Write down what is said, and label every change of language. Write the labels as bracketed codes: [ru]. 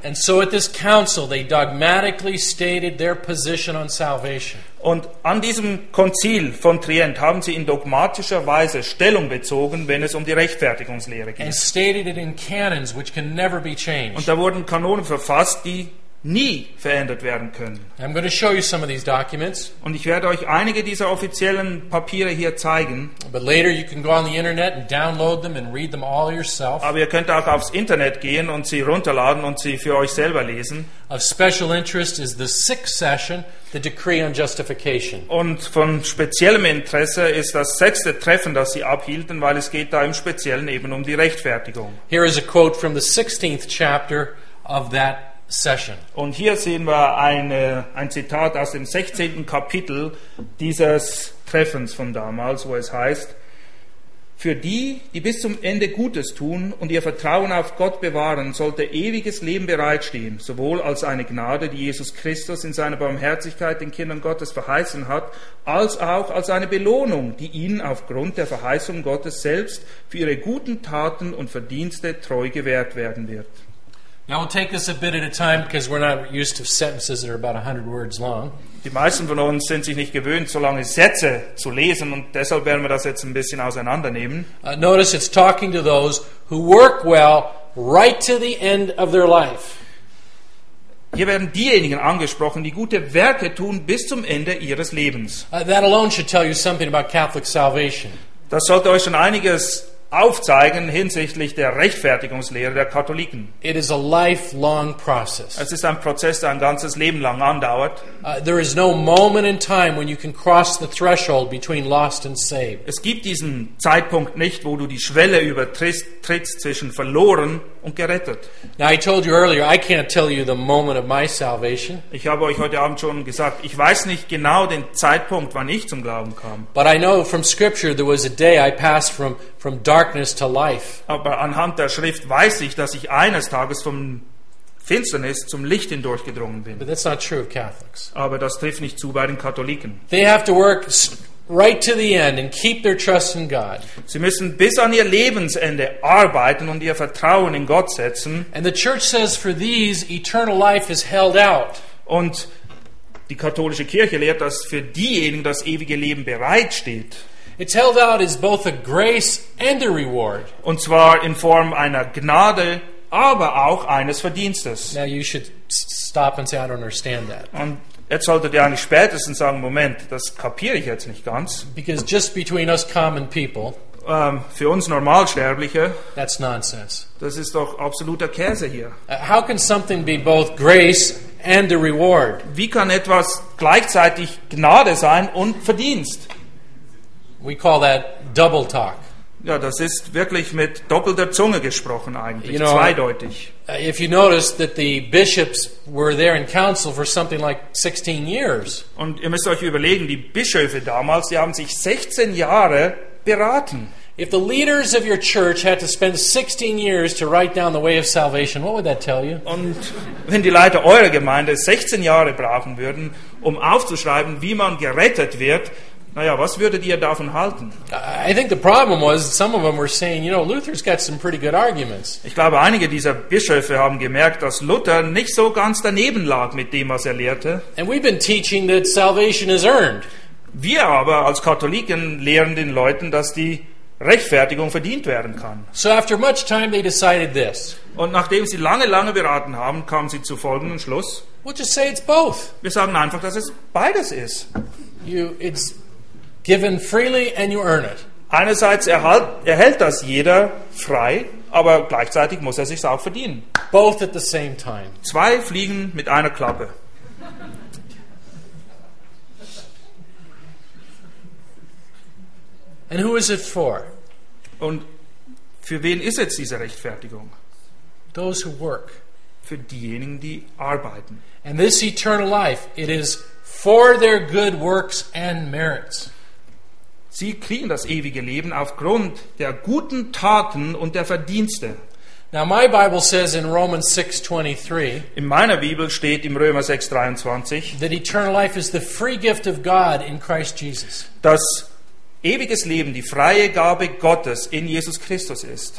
[en] And so at this council they dogmatically stated their position on salvation. [de] Und an diesem Konzil von Trient haben sie in dogmatischer Weise Stellung bezogen, wenn es um die Rechtfertigungslehre ging. [en] And stated it in canons which can never be changed. [de] Und da wurden Kanonen verfasst, die nie verändert werden können. [en] I'm going to show you some of these documents. [de] Und ich werde euch einige dieser offiziellen Papiere hier zeigen. [en] But later you can go on the internet and download them and read them all yourself. [de] Aber ihr könnt auch aufs Internet gehen und sie runterladen und sie für euch selber lesen. [en] Of special interest is the sixth session, the decree on justification. [de] Und von speziellem Interesse ist das sechste Treffen, das sie abhielten, weil es geht da im Speziellen eben um die Rechtfertigung. [en] Here is a quote from the 16th chapter of that session. [de] Und hier sehen wir ein Zitat aus dem 16. Kapitel dieses Treffens von damals, wo es heißt: Für die, die bis zum Ende Gutes tun und ihr Vertrauen auf Gott bewahren, sollte ewiges Leben bereitstehen, sowohl als eine Gnade, die Jesus Christus in seiner Barmherzigkeit den Kindern Gottes verheißen hat, als auch als eine Belohnung, die ihnen aufgrund der Verheißung Gottes selbst für ihre guten Taten und Verdienste treu gewährt werden wird. [en] Now we'll take this a bit at a time because we're not used to sentences that are about 100 words long. [de] Die meisten von uns sind sich nicht gewöhnt, so lange Sätze zu lesen, und deshalb werden wir das jetzt ein bisschen auseinandernehmen. [en] Notice it's talking to those who work well right to the end of their life. [de] Hier werden diejenigen angesprochen, die gute Werke tun bis zum Ende ihres Lebens. [en] That alone should tell you something about Catholic salvation. [de] Das sollte euch schon einiges aufzeigen hinsichtlich der Rechtfertigungslehre der Katholiken. [en] It is a lifelong process. [de] Es ist ein Prozess, der ein ganzes Leben lang andauert. [en] There is no moment in time when you can cross the threshold between lost and saved. [de] Es gibt diesen Zeitpunkt nicht, wo du die Schwelle übertrittst zwischen verloren und gerettet. [en] Now I told you earlier, I can't tell you the moment of my salvation. [de] Ich habe euch heute Abend schon gesagt, ich weiß nicht genau den Zeitpunkt, wann ich zum Glauben kam. [en] But I know from Scripture there was a day I passed from darkness to life. [de] Aber anhand der Schrift weiß ich, dass ich eines Tages vom Finsternis zum Licht hindurchgedrungen bin. [en] But that's not true of Catholics. [de] Aber das trifft nicht zu bei den Katholiken. [en] They have to work right to the end and keep their trust in God. [de] Sie müssen bis an ihr Lebensende arbeiten und ihr Vertrauen in Gott setzen. [en] And the church says for these eternal life is held out. [de] Und die katholische Kirche lehrt, dass für diejenigen das ewige Leben bereitsteht. [en] It's held out as both a grace and a reward. [de] Und zwar in Form einer Gnade, aber auch eines Verdienstes. [en] Now you should stop and say, I don't understand that. [de] Und jetzt solltet ihr eigentlich spätestens sagen, Moment, das kapiere ich jetzt nicht ganz. [en] Because just between us common people, [de] für uns Normalsterbliche, [en] that's nonsense. [de] Das ist doch absoluter Käse hier. [en] How can something be both grace and a reward? [de] Wie kann etwas gleichzeitig Gnade sein und Verdienst? [en] We call that double talk. [de] Ja, das ist wirklich mit doppelter Zunge gesprochen eigentlich, [en] you know, [de] zweideutig. [en] If you notice that the bishops were there in council for something like 16 years. [de] Und ihr müsst euch überlegen, die Bischöfe damals, die haben sich 16 Jahre beraten. [en] If the leaders of your church had to spend 16 years to write down the way of salvation, what would that tell you? [de] Und wenn die Leiter eurer Gemeinde 16 Jahre brauchen würden, um aufzuschreiben, wie man gerettet wird, naja, was würdet ihr davon halten? [en] I think the problem was some of them were saying, you know, Luther's got some pretty good arguments. [de] Ich glaube, einige dieser Bischöfe haben gemerkt, dass Luther nicht so ganz daneben lag mit dem, was er lehrte. [en] And we've been teaching that salvation is earned. [de] Wir aber als Katholiken lehren den Leuten, dass die Rechtfertigung verdient werden kann. [en] So after much time they decided this. [de] Und nachdem sie lange beraten haben, kamen sie zu folgendem Schluss. [en] We'll just say it's both. [de] Wir sagen einfach, dass es beides ist. [en] It's given freely and you earn it. [de] Einerseits erhält das jeder frei, aber gleichzeitig muss er sich's auch verdienen. [en] Both at the same time. [de] Zwei Fliegen mit einer Klappe. [en] And who is it for? [de] Und für wen ist jetzt diese Rechtfertigung? [en] Those who work. [de] Für diejenigen, die arbeiten. [en] And this eternal life, it is for their good works and merits. [de] Sie kriegen das ewige Leben aufgrund der guten Taten und der Verdienste. [en] Now my Bible says in Romans 6:23. [de] In meiner Bibel steht im Römer 6:23. [en] That eternal life is the free gift of God in Christ Jesus. [de] Dass ewiges Leben die freie Gabe Gottes in Jesus Christus ist.